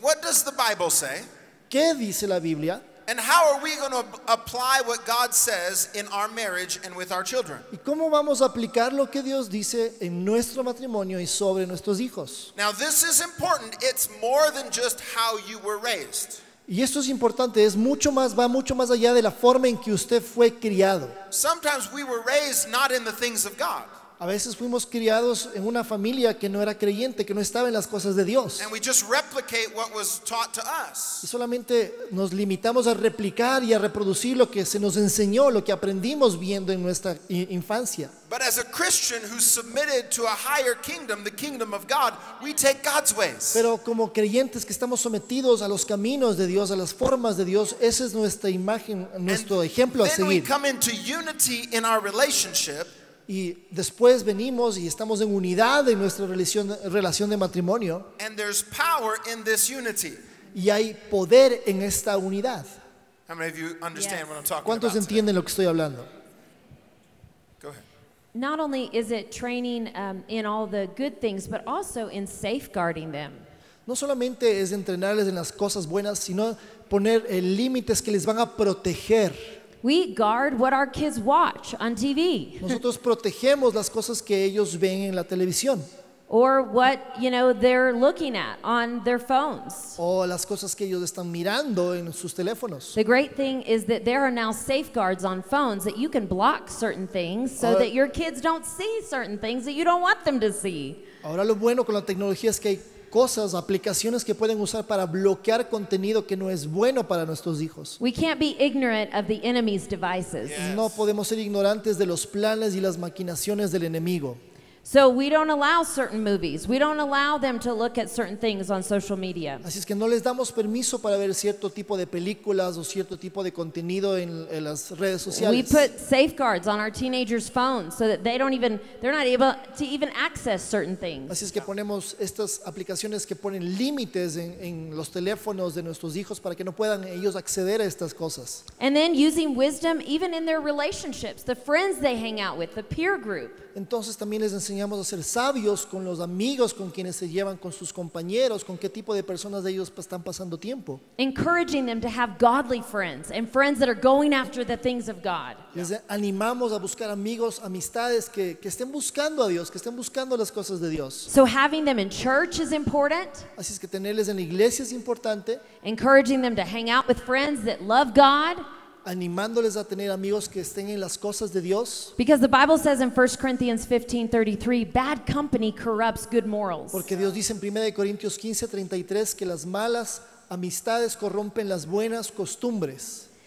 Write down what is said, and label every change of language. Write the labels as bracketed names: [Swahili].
[English] What does the Bible say? [Spanish] ¿Qué dice la Biblia? [English] And how are we going to apply what God says in our marriage and with our children? [Spanish] ¿Y cómo vamos a aplicar lo que Dios dice en nuestro matrimonio y sobre nuestros hijos? [English] Now this is important. It's more than just how you were raised. [Spanish] Y esto es importante, es mucho más, va mucho más allá de la forma en que usted fue criado. [English] Sometimes we were raised not in the things of God. [Spanish] A veces fuimos criados en una familia que no era creyente, que no estaba en las cosas de Dios. [English] And we just replicate what was taught to us. [Spanish] Y solamente nos limitamos a replicar y a reproducir lo que se nos enseñó, lo que aprendimos viendo en nuestra infancia. [English] But as a Christian who's submitted to a higher kingdom, the kingdom of God, we take God's ways. [Spanish] Pero como creyentes que estamos sometidos a los caminos de Dios, a las formas de Dios, esa es nuestra imagen, nuestro ejemplo a seguir. [English] And then we come into unity in our relationship. [Spanish] Y después venimos y estamos en unidad en nuestra relación de matrimonio. [English] And there's power in this unity. [Spanish] Y hay poder en esta unidad. [English] How many of you understand what I'm talking about? [Spanish] ¿Cuántos entienden lo que estoy hablando? [English] Go ahead. Not only is it training in all the good things, but also in safeguarding them. [Spanish] No solamente es entrenarles en las cosas buenas, sino poner límites que les van a proteger. [English] We guard what our kids watch on TV. [Spanish] Nosotros protegemos las cosas que ellos ven en la televisión. [English] Or what, you know, they're looking at on their phones. [Spanish] O las cosas que ellos están mirando en sus teléfonos. [English] The great thing is that there are now safeguards on phones that you can block certain things so that your kids don't see certain things that you don't want them to see. [Spanish] Ahora lo bueno con la tecnología es que hay cosas, aplicaciones que pueden usar para bloquear contenido que no es bueno para nuestros hijos. [English] We can't be ignorant of the enemy's devices. Yes. [Spanish] No podemos ser ignorantes de los planes y las maquinaciones del enemigo. [English] So we don't allow certain movies. We don't allow them to look at certain things on social media. [Spanish] Así es que no les damos permiso para ver cierto tipo de películas o cierto tipo de contenido en las redes sociales. [English] We put safeguards on our teenagers' phones so that they're not able to even access certain things. [Spanish] Así es que ponemos estas aplicaciones que ponen límites en los teléfonos de nuestros hijos para que no puedan ellos acceder a estas cosas. [English] And then using wisdom even in their relationships, the friends they hang out with, the peer group. [Spanish] Entonces también les enseñamos a ser sabios con los amigos con quienes se llevan, con sus compañeros, con qué tipo de personas de ellos están pasando tiempo. [English] Encouraging them to have godly friends and friends that are going after the things of God. [Spanish] Les animamos a buscar amigos, amistades que estén buscando a Dios, que estén buscando las cosas de Dios. [English] So having them in church is important. [Spanish] Así es que tenerles en la iglesia es importante. [English] Encouraging them to hang out with friends that love God. [Spanish] animándoles a tener amigos que estén en las cosas de Dios. [English] Because the Bible says in 1 Corinthians 15:33, bad company corrupts good morals. [Spanish] Porque Dios dice en 1 Corintios 15:33 que las malas amistades corrompen las buenas costumbres.